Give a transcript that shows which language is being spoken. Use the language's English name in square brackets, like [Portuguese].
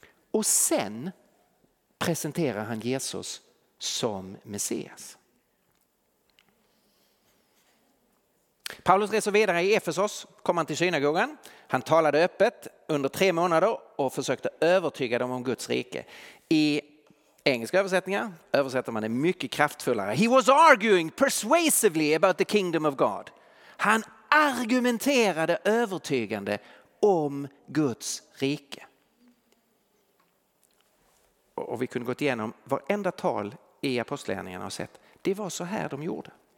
[Swedish] Och sen presenterar han Jesus som Messias. Paulus reser vidare i Efesos, kom han till synagogan. Han talade öppet under 3 månader och försökte övertyga dem om Guds rike. I engelska översättningar översätter man det mycket kraftfullare. [English] He was arguing persuasively about the kingdom of God. [Swedish] Han argumenterade övertygande om Guds rike. Och vi kunde gått igenom varenda tal i apostlagärningarna och sett. Det var så här de gjorde.